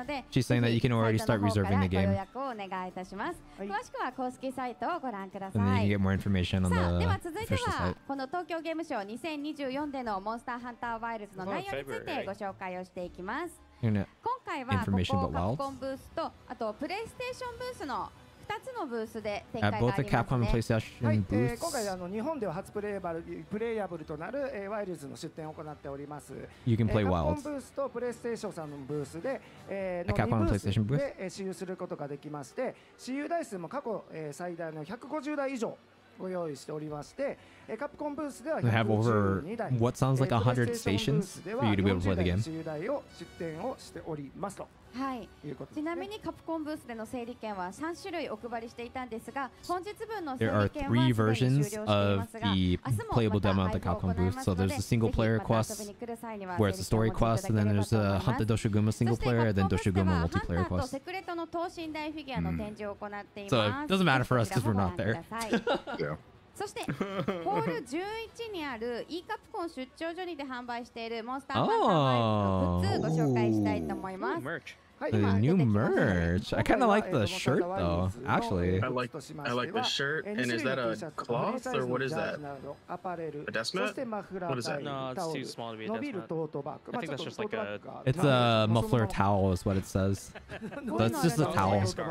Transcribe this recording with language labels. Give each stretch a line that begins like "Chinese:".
English: She's saying that you can already start reserving the game. And then you can get more information on the official site.
Japanese: この東京ゲームショー2024でのモンスターハンターワイルズの内容についてご紹介をしていきます。今回はここカプコンブースとあとプレイステーションブースの2つのブースで展開がありますね。
English: Capcom and PlayStation booths.
Japanese: 今回日本では初プレイヤブルとなるワイルズの出展を行っております。
English: You can play Wilds.
Japanese: Capcom ブースとプレイステーションさんのブースで
English: Capcom and PlayStation booths
Japanese: で試遊することができまして、試遊台数も過去最大の150台以上ご用意しておりまして、カプコンブースでは 152台、プレイステーションブースでは40台の試遊台を出展をしておりますと。はい、ちなみにカプコンブースでの整理券は3種類お配りしていたんですが、本日分の整理券は既に終了していますが、明日もまた配布を行いますので、ぜひまた遊びに来る際にはぜひお持ちいただければと思います。そしてカプコンブースではハンターとセクレットの等身大フィギュアの展示を行っています。こちらもご覧ください。
English: It doesn't matter for us because we're not there.
Japanese: そしてホール11にある E カプコン出張所にて販売しているモンスターハンターワイルズの靴ご紹介したいと思います。
English: The new merch. I kind of like the shirt though, actually. I like the shirt. And is that a cloth or what is that? A desk mat? What is that? No, it's too small to be a desk mat. I think that's just like a... It's a muffler towel is what it says. That's just a towel.